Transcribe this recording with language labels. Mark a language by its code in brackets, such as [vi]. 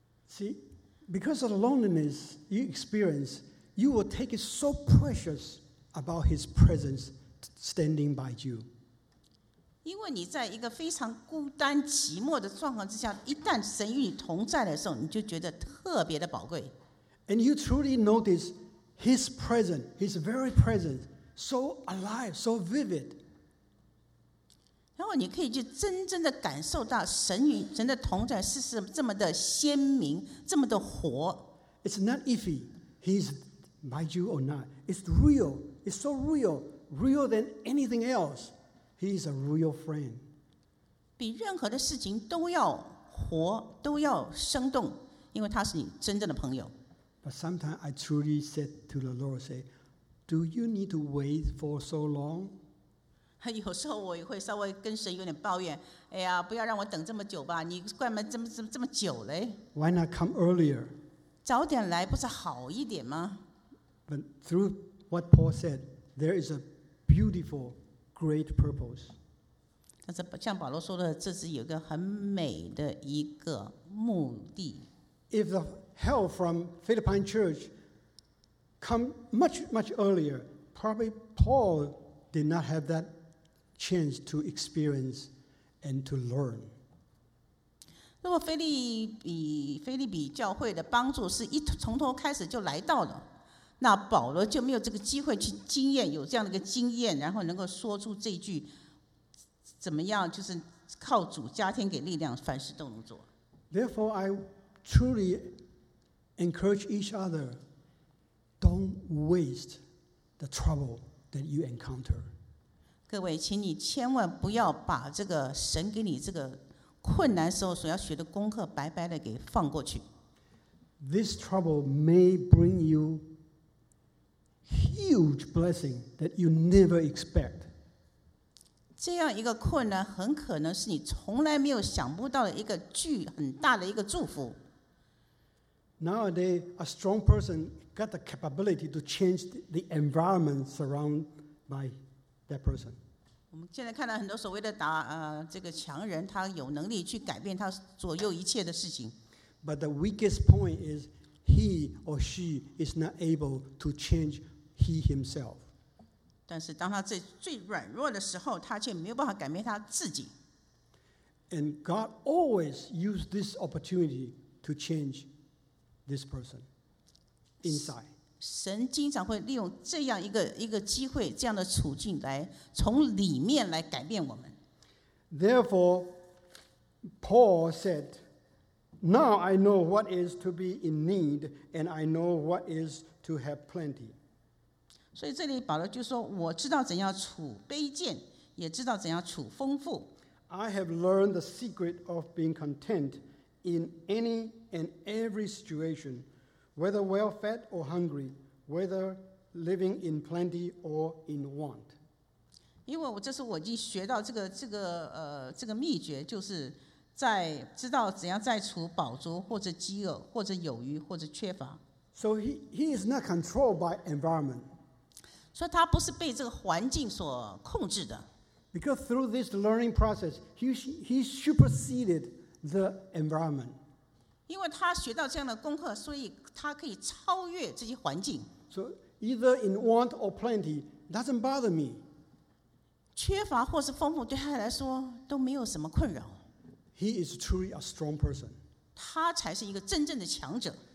[en] See, because of the loneliness you experience, you will take it so precious about his presence standing by you. [zh] 因为你在一个非常孤单寂寞的状况之下，一旦神与你同在的时候，你就觉得特别的宝贵。 [en] And you truly notice His presence, His very presence, so alive, so vivid. [zh] 然后你可以去真正的感受到神与神的同在是这么的鲜明，这么的活。 [en] It's not iffy, He's by you or not. It's real. It's so real, real than anything else. He is a real friend. [zh] 比任何的事情都要活，都要生动，因为他是你真正的朋友。 [en] But sometimes I truly said to the Lord, say, "Do you need to wait for so long?" [zh] 有时候我也会稍微跟神有点抱怨，哎呀，不要让我等这么久吧，你关门这么久嘞。 [en] Why not come earlier? [zh] 早点来不是好一点吗？ [en] But through what Paul said, there is a beautiful, great purpose. [zh] 但是像保罗说的，这是有个很美的一个目的。 [en] If the help from Philippine Church come much, much earlier, probably Paul did not have that chance to experience and to learn. [zh] 如果菲利比教会的帮助是一从头开始就来到了，那保罗就没有这个机会去经验，有这样的一个经验，然后能够说出这句怎么样，就是靠主加添给力量，凡事都能做。 [en] Therefore, I truly encourage each other, don't waste the trouble that you encounter. [zh] 各位，请你千万不要把这个神给你这个困难时候所要学的功课白白的给放过去。 [en] This trouble may bring you huge blessing that you never expect. [zh] 这样一个困难很可能是你从来没有想不到的一个巨很大的一个祝福。 [en] Nowadays, a strong person got the capability to change the environment surrounded by that person. [zh] 我们现在看到很多所谓的这个强人，他有能力去改变他左右一切的事情。 [en] But the weakest point is he or she is not able to change he himself. [zh] 但是当他最软弱的时候，他却没有办法改变他自己。 [en] And God always used this opportunity to change this person inside. [zh] 神经常会利用这样一个机会，这样的处境来从里面来改变我们。 [en] Therefore, Paul said, "Now I know what is to be in need, and I know what is to have plenty." [zh] 所以这里保罗就说，我知道怎样处卑贱，也知道怎样处丰富。 [en] I have learned the secret of being content in any and every situation, whether well fed or hungry, whether living in plenty or in want. [zh] 因为这是我已经学到这个秘诀，就是在知道怎样在处饱足或者饥饿或者有余或者缺乏。 [en] So he is not controlled by environment. [zh] 所以他不是被这个环境所控制的。 [en] Because through this learning process, he superseded the environment. [zh] 因为他学到这样的功课，所以他可以超越这些环境。 [en] So either in want or plenty doesn't bother me. [zh] 缺乏或是丰富对他来说都没有什么困扰。 [en] He is truly a strong person. [zh] 他才是一个真正的强者。